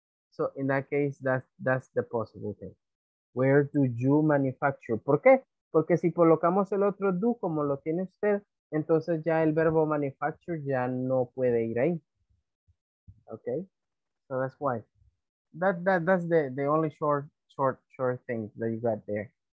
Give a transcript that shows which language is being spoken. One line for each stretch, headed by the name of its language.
English: So in that case, that's the possible thing. Where do you manufacture?
Spanish: ¿Por qué? Porque si colocamos el otro do como lo tiene usted, entonces ya el verbo manufacture ya no puede ir ahí.
English: Okay? So that's why. That's the only short thing that you got there.